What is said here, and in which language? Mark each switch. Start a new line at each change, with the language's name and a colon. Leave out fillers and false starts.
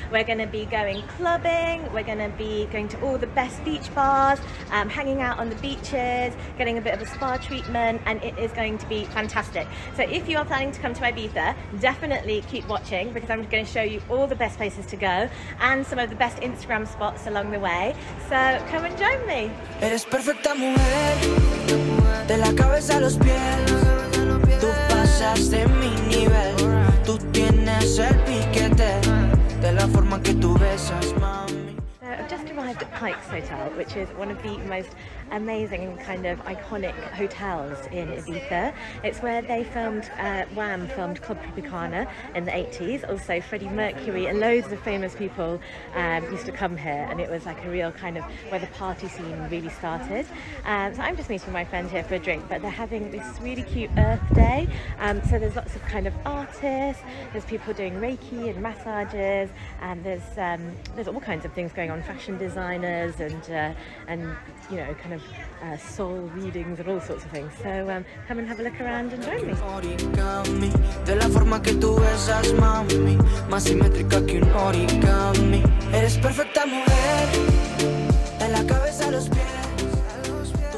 English: We're going to be going clubbing, we're going to be going to all the best beach bars, hanging out on the beaches, getting a bit of a spa treatment, and it is going to be fantastic. So if you are planning to come to Ibiza, definitely keep watching because I'm going to show you all the best places to go and some of the best Instagram spots along the way. So come and join me.
Spanish: Eres perfecta mujer, de la cabeza a los pies. Tú pasas de mi nivel. Tú tienes el piquete de la forma que tú besas, mami.
English: Just arrived at Pike's Hotel, which is one of the most amazing kind of iconic hotels in Ibiza. It's where they filmed, Wham filmed Club Tropicana in the 80s. Also Freddie Mercury and loads of famous people used to come here, and it was like a real kind of where the party scene really started. So I'm just meeting my friend here for a drink, but they're having this really cute Earth Day. So there's lots of kind of artists, there's people doing Reiki and massages, and there's all kinds of things going on. Fashion designers and you know, kind of soul readings and all sorts of things. So come and have a look around and join me.
Spanish: Origami, de la forma que tú besas, mami, más simétrica que un origami. Eres perfecta mujer, de la cabeza a los pies.